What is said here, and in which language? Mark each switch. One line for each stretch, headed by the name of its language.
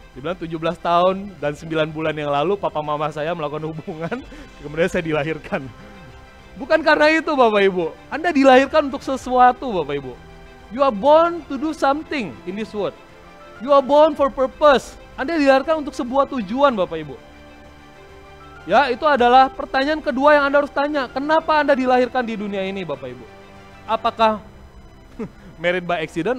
Indonesian: Dibilang 17 tahun dan 9 bulan yang lalu papa mama saya melakukan hubungan, kemudian saya dilahirkan. Bukan karena itu, Bapak Ibu. Anda dilahirkan untuk sesuatu, Bapak Ibu.
English: You are born to do something in this world. You are born for purpose.
Indonesian: Anda dilahirkan untuk sebuah tujuan, Bapak Ibu. Ya, itu adalah pertanyaan kedua yang Anda harus tanya. Kenapa Anda dilahirkan di dunia ini, Bapak Ibu? Apakah
English: married by accident?